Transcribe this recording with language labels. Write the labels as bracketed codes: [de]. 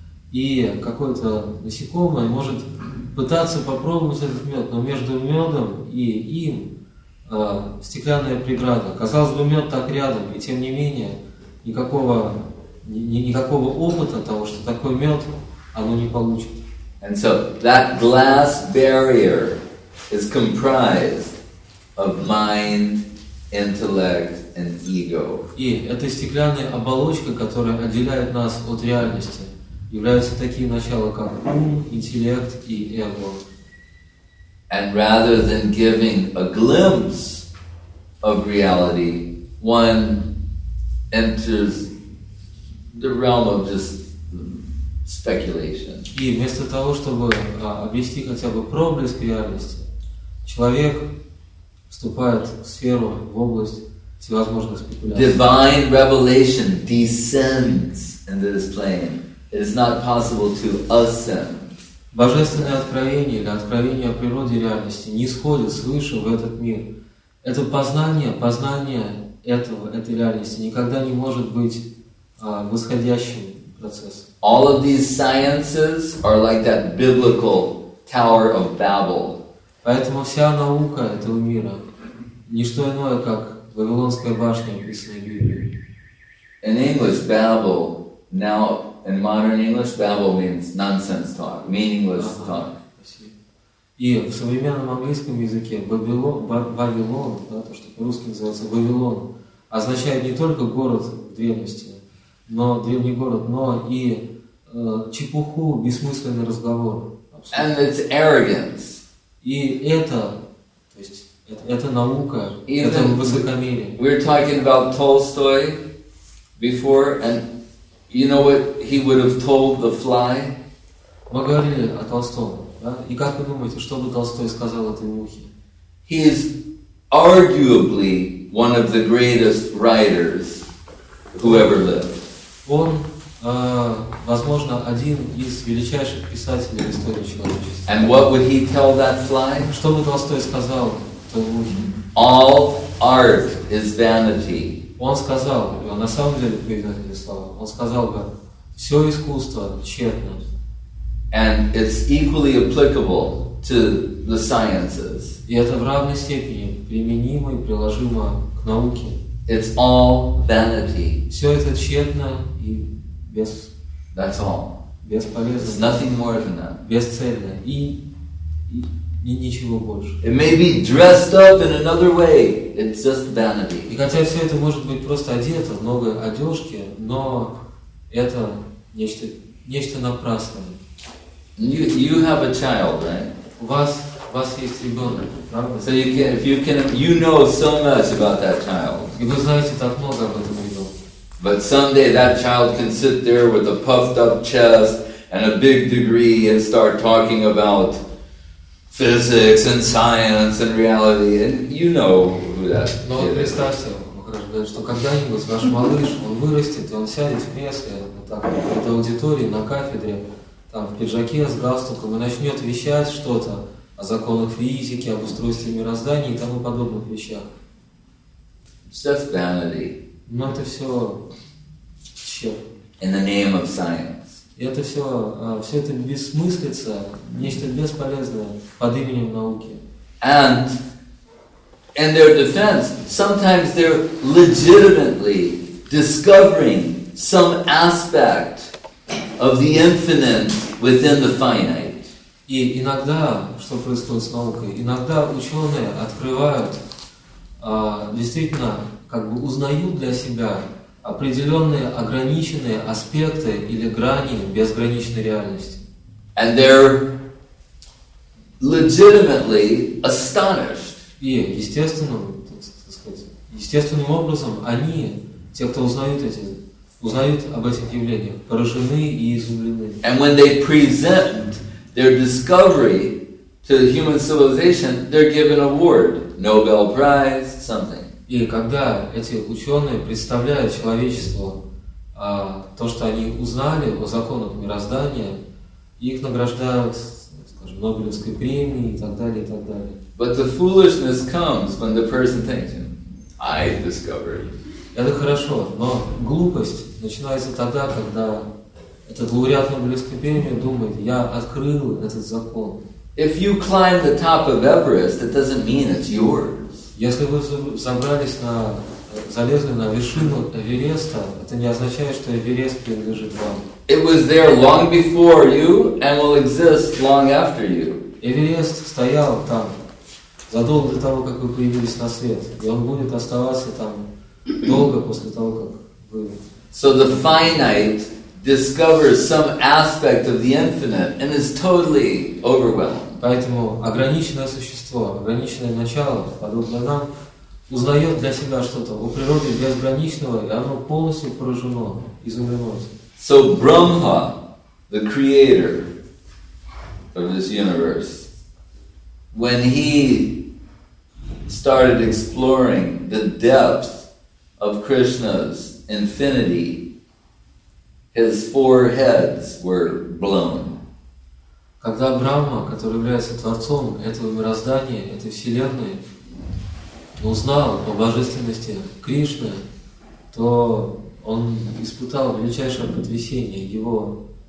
[ru] И какое-то насекомое может пытаться попробовать этот мед, но между медом и им стеклянная преграда. Казалось бы, мед так рядом, и тем не менее никакого опыта того, что такой мед, оно не получит. [en] And so that glass barrier is comprised of mind, intellect, and ego. [ru] И эта стеклянная оболочка, которая отделяет нас от реальности, являются такие начала, как ум, интеллект и эго. [en] And rather than giving a glimpse of reality, one enters the realm of just speculation. [ru] И вместо того, чтобы обрести хотя бы проблеск реальности, человек вступает в сферу, в область всевозможных спекуляций. [en] Divine revelation descends into this plane. It is not possible to ascend. [ru] Божественное откровение или откровение о природе реальности не сходит свыше в этот мир. Это познание этого, этой реальности никогда не может быть восходящим процессом. [en] All of these sciences are like that biblical Tower of Babel. [ru] Поэтому вся наука этого мира не что иное, как Вавилонская башня, написанная в Библии. [en] In English, Babel now. In modern English, babble means nonsense talk, meaningless talk. [ru] И в современном английском языке Вавилон, да, то, что по-русски называется Вавилон, означает не только город древности, но древний город, но и чепуху, бессмысленный разговор. [en] And it's arrogance. [ru] И это, то есть, это наука, это высокомерие. [en] We were talking about Tolstoy before, and you know what he would have told the fly? [ru] Мы говорили о Толстом, да? И как вы думаете, что бы Толстой сказал этой мухе? [en] He is arguably one of the greatest writers who ever lived. [ru] Он, возможно, один из величайших писателей в истории человечества. [en] And what would he tell that fly? [ru] Что бы Толстой сказал этой мухе? [en] All art is vanity. [ru] Он сказал, на самом деле, произносили слова, он сказал бы, все искусство тщетно. [en] And it's equally applicable to the sciences. [ru] И это в равной степени применимо и приложимо к науке. [en] It's all vanity. [ru] Все это тщетно и без... [en] That's all. [ru] Бесполезно. [en] It's nothing more than that. [ru] Бесцельно. И ничего больше. [en] It may be dressed up in another way. It's just vanity. [ru] И хотя все это может быть просто одето, много одежки, но это нечто напрасное. [en] You have a child, right? [ru] У вас есть ребенок, правда? [en] So if you can, you know so much about that child. [ru] И вы знаете так много об этом ребенке. [en] But someday that child can sit there with a puffed up chest and a big degree and start talking about physics and science and reality, and you know who that is. [ru] Что когда-нибудь ваш малыш, он вырастет, и он сядет в кресле, вот так, в этой аудитории, на кафедре, там, в пиджаке с галстуком, и начнет вещать что-то о законах физики, об устройстве мироздания и тому подобных вещах. [en] Just vanity. [ru] Но это все чёрт. [en] In the name of science. [ru] И это все, все это бессмыслица, нечто бесполезное под именем науки. [en] And in their defense, sometimes they're legitimately discovering some aspect of the infinite within the finite. [ru] И иногда, что происходит с наукой, иногда ученые открывают, действительно, как бы узнают для себя определенные ограниченные аспекты или грани безграничной реальности. [en] And they're legitimately astonished. [ru] И естественным, так сказать, естественным образом они, те, кто узнают эти, узнают об этих явлениях, поражены и изумлены. [en] And when they present their discovery to the human civilization, they're given award, Nobel Prize, something. [ru] И когда эти ученые представляют человечеству то, что они узнали о законах мироздания, их награждают, скажем, Нобелевской премией и так далее, и так далее. [en] But the foolishness comes when the person thinks, "I discovered." [ru] Это хорошо, но глупость начинается тогда, когда этот лауреат Нобелевской премии думает: "Я открыл этот закон." [en] If you climb the top of Everest, it doesn't mean it's yours. [ru] Если вы забрались на залезли на вершину Эвереста, это не означает, что Эверест принадлежит вам. [en] It was there long before you and will exist long after you. [ru] Эверест стоял там задолго до того, как вы появились на свет, и он будет оставаться там долго после того, как вы. [en] So the finite discovers some aspect of the infinite and is totally overwhelmed. [ru] Поэтому ограниченное существо, ограниченное начало, подобно нам, узнает для себя что-то о природе безграничного, и оно полностью поражено, изумлено. [en] So Brahma, the creator of this universe, when he started exploring the depth of Krishna's infinity, his four heads were blown. [ru] Когда Брахма, который является творцом этого мироздания, этой вселенной, узнал о божественности Кришны, то он испытал величайшее потрясение, его